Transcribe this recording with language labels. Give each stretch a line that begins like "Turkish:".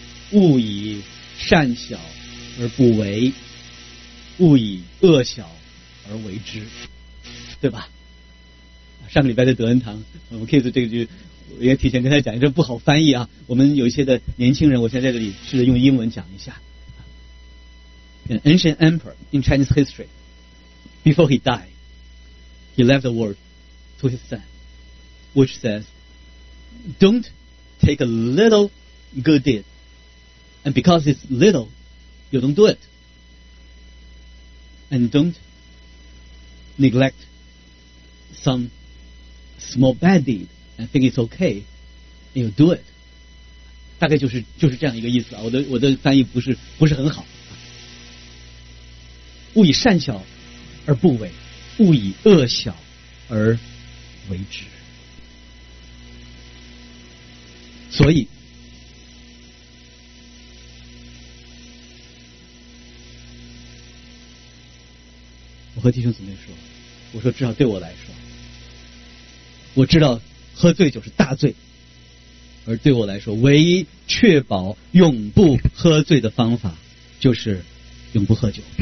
Chinese: 勿以善小而不为，勿以恶小而为之，对吧？上个礼拜在德恩堂，我们 Kiss 这句我也提前跟他讲，这不好翻译啊。我们有一些的年轻人，我现 在这里试着用英文讲一下。
English: An ancient emperor in Chinese history, before he died, he left the word to his son, which says, "Don't take a little good deed, and because it's little, you don't do it, and don't neglect some small bad deed and think it's okay, and you do it."
Chinese: 大概就是这样一个意思啊。我的翻译不是很好。勿以善小而不为，勿以恶小而为之。所以我和弟兄姊妹说，我说至少对我来说，我知道喝醉酒是大罪，而对我来说唯一确保永不喝醉的方法就是永不喝酒。